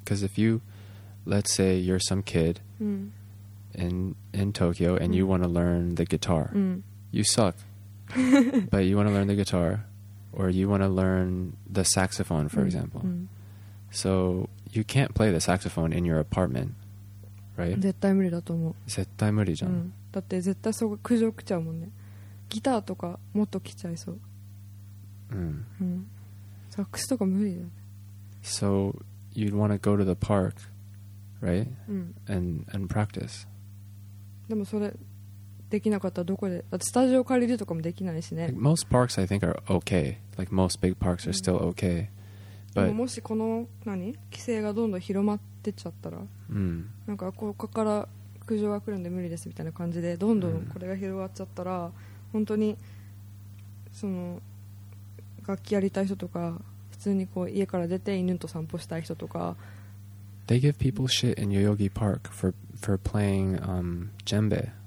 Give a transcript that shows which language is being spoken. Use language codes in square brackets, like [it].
[en] Because if you, let's say you're some kid in Tokyo and you want to learn the guitar, you suck but you want to learn the guitar, or you want to learn the saxophone, for example, so you can't play the saxophone in your apartmentRight? [ja] 絶対無理だと思う。絶対無理じゃん、うん、だって絶対そこ苦情来ちゃうもんね。ギターとかもっと来ちゃいそう、サックスとか無理だよね。 [en] So you'd want to go to the park, right?、 [ja] うん、 [en] and practice. [ja] でもそれできなかったらどこで、だってスタジオ借りるとかもできないしね。 [en] like, Most parks I think are okay. Like most big parks are still okay、 [ja] But、もしこの何規制がどんどん広まってっちゃったら、なんかここから苦情が来るんで無理ですみたいな感じでどんどんこれが広がっちゃったら、本当にその楽器やりたい人とか、普通にこう家から出て犬と散歩したい人とか、 [en] They give people shit in Yoyogi Park for playing djembe.